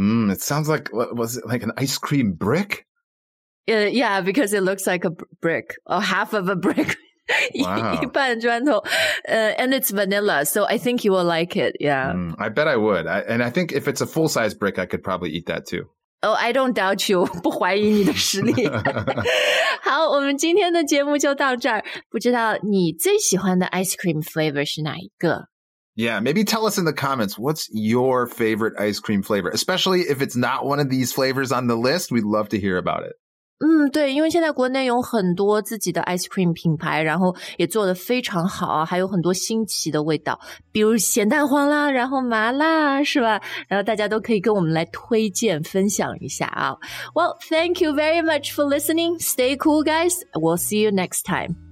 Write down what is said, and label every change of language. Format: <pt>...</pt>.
<en>It sounds like, was it like an ice cream brick? Yeah, because it looks like a brick, or half of a brick. Wow.</en> <zh>一半砖头</zh> <en>and it's vanilla, so I think you will like it, yeah. I bet I would. And I think if it's a full-size brick, I could probably eat that too. Oh, I don't doubt you.</en> <zh>不怀疑你的实力。好，我们今天的节目就到这儿。不知道你最喜欢的 ice cream flavor 是哪一个？</zh> <en>Yeah, maybe tell us in the comments, what's your favorite ice cream flavor? Especially if it's not one of these flavors on the list, we'd love to hear about it.</en> <zh>对，因为现在国内有很多自己的 ice cream 品牌，然后也做得非常好，还有很多新奇的味道，比如咸蛋黄啦，然后麻辣，是吧？然后大家都可以跟我们来推荐分享一下啊。</zh> <en>Well, thank you very much for listening. Stay cool, guys. We'll see you next time.</en>